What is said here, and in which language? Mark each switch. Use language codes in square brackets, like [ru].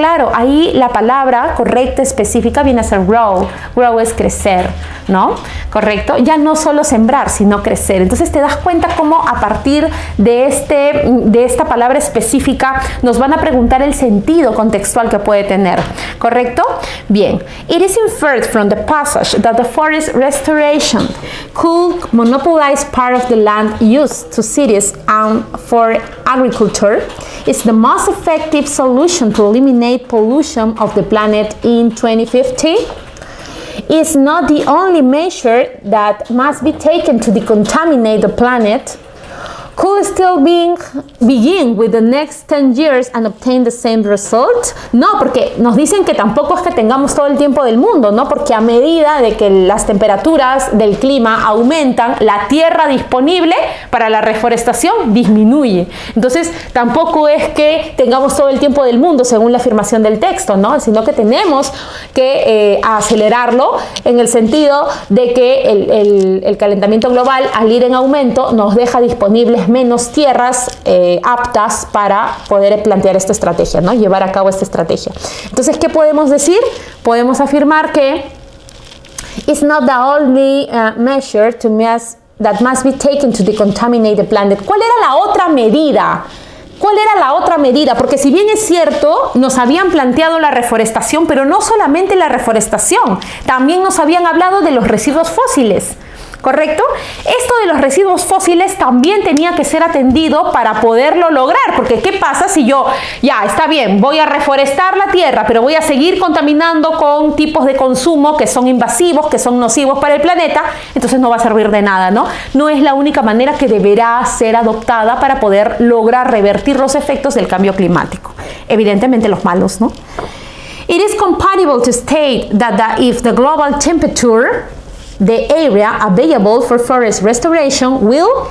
[es] Claro, ahí la palabra correcta, específica, viene a ser grow. Grow es crecer, ¿no? ¿Correcto? Ya no solo sembrar, sino crecer. Entonces te das cuenta cómo a partir de esta palabra específica nos van a preguntar el sentido contextual que puede tener. ¿Correcto? Bien. [en] It is inferred from the passage that the forest restoration could monopolize part of the land used to cities and for agriculture is the most effective solution to eliminate pollution of the planet in 2050. Is not the only measure that must be taken to decontaminate the planet. Could still begin with the next 10 years and obtain the same result? [es] No, porque nos dicen que tampoco es que tengamos todo el tiempo del mundo, ¿no? Porque a medida de que las temperaturas del clima aumentan, la tierra disponible para la reforestación disminuye. Entonces, tampoco es que tengamos todo el tiempo del mundo, según la afirmación del texto, ¿no? Sino que tenemos que acelerarlo en el sentido de que el calentamiento global, al ir en aumento, nos deja disponible menos tierras aptas para poder plantear esta estrategia, ¿no? Llevar a cabo esta estrategia. Entonces, ¿qué podemos decir? Podemos afirmar que [en] it's not the only measure to that must be taken to decontaminate the planet. [es] ¿Cuál era la otra medida? ¿Cuál era la otra medida? Porque si bien es cierto, nos habían planteado la reforestación, pero no solamente la reforestación, también nos habían hablado de los residuos fósiles. ¿Correcto? Esto de los residuos fósiles también tenía que ser atendido para poderlo lograr, porque ¿qué pasa si yo, ya, está bien, voy a reforestar la tierra, pero voy a seguir contaminando con tipos de consumo que son invasivos, que son nocivos para el planeta? Entonces no va a servir de nada, ¿no? No es la única manera que deberá ser adoptada para poder lograr revertir los efectos del cambio climático. Evidentemente los malos, ¿no? [en] It is compatible to state that if the global temperature, the area available for forest restoration will.